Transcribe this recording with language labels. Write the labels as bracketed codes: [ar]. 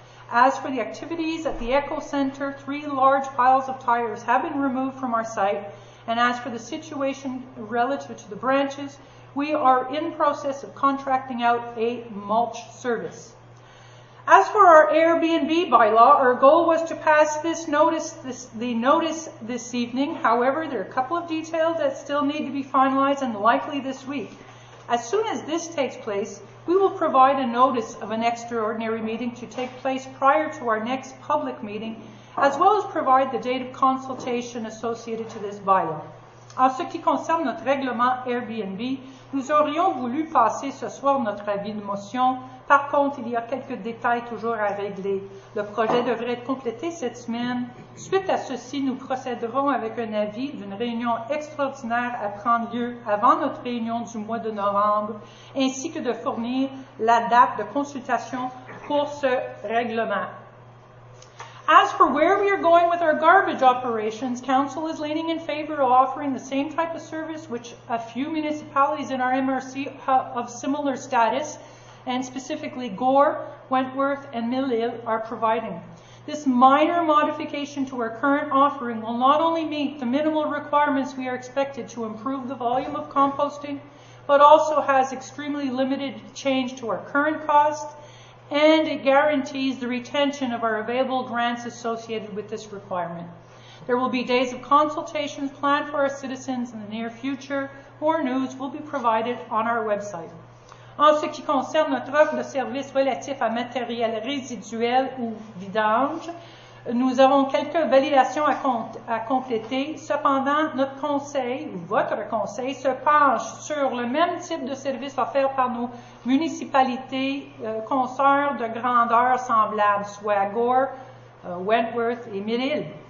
[en] As for the activities at the Echo Center, 3 large piles of tires have been removed from our site. And as for the situation relative to the branches, we are in process of contracting out a mulch service. As for our Airbnb bylaw, our goal was to pass this notice, this evening. However, there are a couple of details that still need to be finalized and likely this week. As soon as this takes place, we will provide a notice of an extraordinary meeting to take place prior to our next public meeting, as well as provide the date of consultation associated to this bylaw. [fr] En ce qui concerne notre règlement Airbnb, nous aurions voulu passer ce soir notre avis de motion. Par contre, il y a quelques détails toujours à régler. Le projet devrait être complété cette semaine. Suite à ceci, nous procéderons avec un avis d'une réunion extraordinaire à prendre lieu avant notre réunion du mois de novembre, ainsi que de fournir la date de consultation pour ce règlement. [en] As for where we are going with our garbage operations, council is leaning in favor of offering the same type of service which a few municipalities in our MRC of similar status, and specifically Gore, Wentworth, and Mill Hill are providing. This minor modification to our current offering will not only meet the minimal requirements we are expected to improve the volume of composting, but also has extremely limited change to our current cost, and it guarantees the retention of our available grants associated with this requirement. There will be days of consultations planned for our citizens in the near future. More news will be provided on our website. [fr] En ce qui concerne notre offre de services relatifs à matériel résiduel ou vidange, nous avons quelques validations à compléter. Cependant, notre conseil, ou votre conseil, se penche sur le même type de service offert par nos municipalités consoeurs de grandeur semblable, soit Gore, Wentworth et Mill Hill.